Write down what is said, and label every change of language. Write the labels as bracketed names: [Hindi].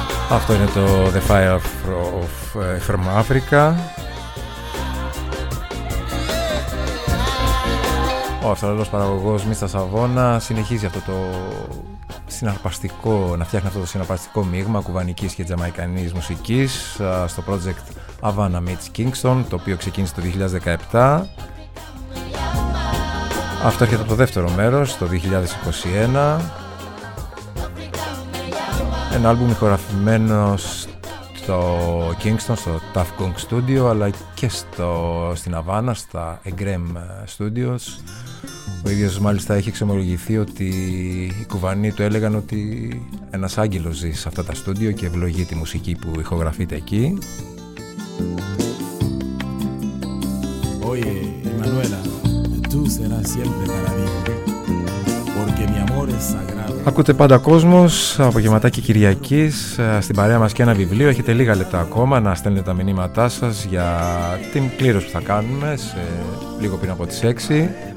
[Greek] Αυτό είναι το The Fire of From Africa. Ο Αυστραλός παραγωγός Μίστα Σαβόνα συνεχίζει αυτό το συναρπαστικό, να φτιάχνει αυτό το συναρπαστικό μείγμα κουβανικής και τζαμαϊκανής μουσικής στο project Havana Meets Kingston, το οποίο ξεκίνησε το 2017. Αυτό έρχεται από το δεύτερο μέρος, το 2021. Ένα άλμπουμ ηχογραφημένο στο Kingston, στο Tuff Gong Studio, αλλά και στην Αβάνα, στα Εγκρέμ Studios. Ο ίδιος μάλιστα έχει εξομολογηθεί ότι οι κουβανοί του έλεγαν ότι ένας άγγελος ζει σε αυτά τα στούντιο και ευλογεί τη μουσική που ηχογραφείται εκεί. [Spanish] Oye, Emanuela, tú serás siempre para mí. [Greek] Ακούτε πάντα κόσμος, απογευματάκι Κυριακής, στην παρέα μας και ένα βιβλίο. Έχετε λίγα λεπτά ακόμα να στέλνετε τα μηνύματά σας για την κλήρωση που θα κάνουμε σε λίγο πριν από τις 6.